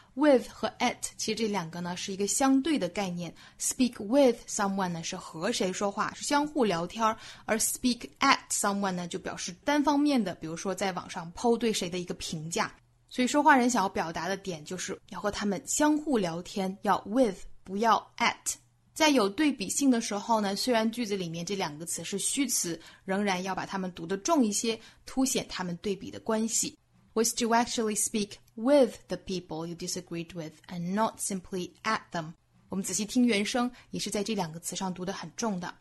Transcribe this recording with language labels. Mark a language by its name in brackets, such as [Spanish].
[Chinese] with 和 at 其实这两个呢是一个相对的概念， [English] speak with someone [Chinese] 呢是和谁说话，是相互聊天，而 [English] speak at someone [Chinese] 呢就表示单方面的，比如说在网上 po 对谁的一个评价，所以说话人想要表达的点就是要和他们相互聊天，要 with 不要 at。在有对比性的时候呢，虽然句子里面这两个词是虚词，仍然要把它们读得重一些，凸显它们对比的关系。 [English] Was to actually speak with the people you disagreed with and not simply at them。 [Chinese] 我们仔细听原声也是在这两个词上读得很重的。